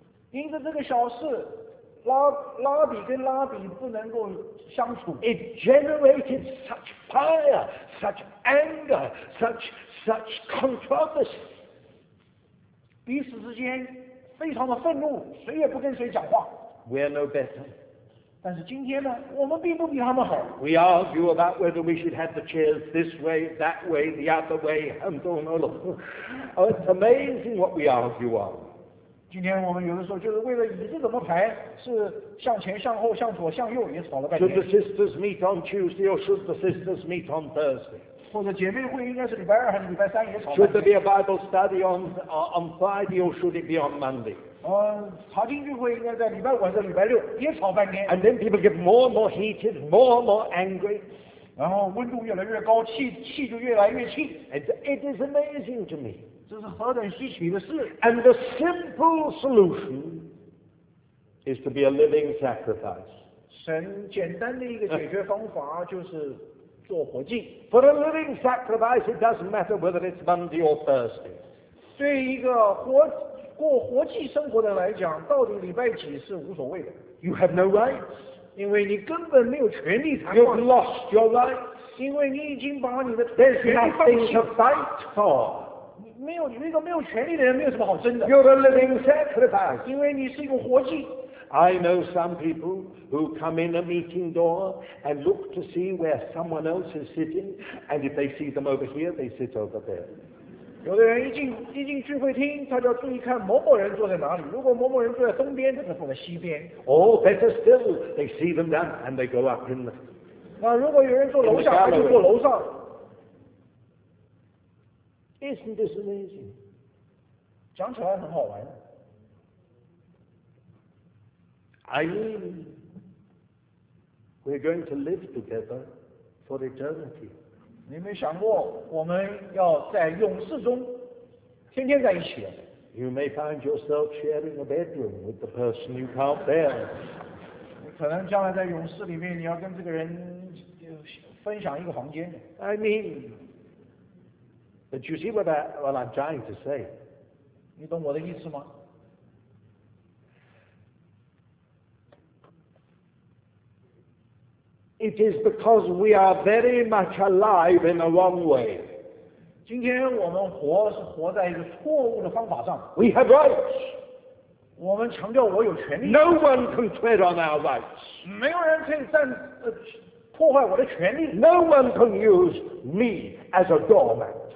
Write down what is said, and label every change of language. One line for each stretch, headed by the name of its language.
Chinese: 因着这个小事，拉比跟拉比不能够相处。
English: It generated such fire, such anger, such controversy.
Chinese: 彼此之间非常的愤怒，谁也不跟谁讲话。
English: We are no better.
Chinese: 但是今天呢，我们并不比他们好。
English: We argue about whether we should have the chairs this way, that way, the other way, and all of them. Oh, it's amazing what we argue on.
Chinese: 今天我们有的时候就是为了椅子怎么排，是向前、向后、向左、向右，也吵了半天。
English: Should the sisters meet on Tuesday or should the sisters meet on Thursday?
Chinese: 或者姐妹会应该是礼拜二还是礼拜三，也吵了。
English: Should there be a Bible study on Friday or should it be on Monday?
Chinese: 查经聚会应该在礼拜五还是礼拜六，也吵半天。
English: And then people get more and more heated, more and more angry.
Chinese: 然后温度越来越高，气就越来越气。
English: It is amazing to me.
Chinese: 这是何等稀奇的事。
English: And the simple solution is to be a living sacrifice.
Chinese: 神简单的一个解决方法就是做活祭。
English: For a living sacrifice, it doesn't matter whether it's Monday or Thursday.
Chinese: 对一个过活祭生活的来讲，到底礼拜几是无所谓的。
English: You have no rights.
Chinese: 因为你根本没有权利谈话。
English: You've lost your rights.
Chinese: 因为你已经把你的权利放弃。
English: There's nothing to fight for.
Chinese: 没有，一个没有权利的人没有什么好争的。
English: You're a living sacrifice.
Chinese: 因为你是一个活祭。
English: I know some people who come in a meeting door and look to see where someone else is sitting, and if they see them over here, they sit over there.
Chinese: 有的人一进聚会厅，他就要注意看某某人坐在哪里。如果某某人坐在东边，他就坐在西边。
English: Oh, better still, they see them down and they go up in the.
Chinese: 那如果有人坐楼下，他就坐楼上。
English: Isn't this amazing?
Chinese: 讲起来很好玩。
English: I mean, we're going to live together for eternity.
Chinese: 你没想过我们要在勇士中天天在一起。
English: You may find yourself sharing a bedroom with the person you can't bear.
Chinese: 可能将来在勇士里面，你要跟这个人分享一个房间。
English: I mean, but you see what I'm trying to say.
Chinese: 你懂我的意思吗？
English: It is because we are very much alive in the wrong way.
Chinese: 今天我们活是活在一个错误的方法上。
English: We have rights.
Chinese: 我们强调我有权利。
English: No one can tread on our rights.
Chinese: 没有人可以站破坏我的权利。
English: No one can use me as a doormat.